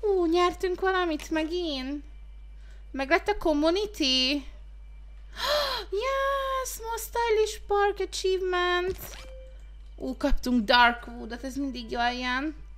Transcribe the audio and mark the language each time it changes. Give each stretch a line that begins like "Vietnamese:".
Hungarian: Nyertünk valamit megint. Meg lett a community.
English: Yes, most stylish park achievement.
Hungarian: Kaptunk Darkwood-ot, ez mindig jól jön.